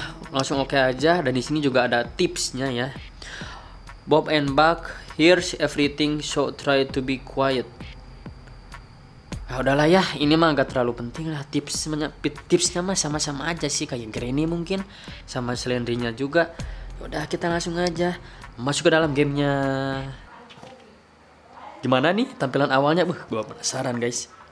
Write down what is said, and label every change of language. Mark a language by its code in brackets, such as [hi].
[id] Langsung oke aja. Dan di sini juga ada tipsnya ya. [en] Bob and Buck, here's everything, so try to be quiet. [id] Nah, udahlah ya, ini mah gak terlalu penting lah. Tipsnya mah sama-sama aja sih, kayak Granny mungkin sama Slendrinya juga. Udah, kita langsung aja masuk ke dalam gamenya. Gimana nih tampilan awalnya? Gua penasaran guys.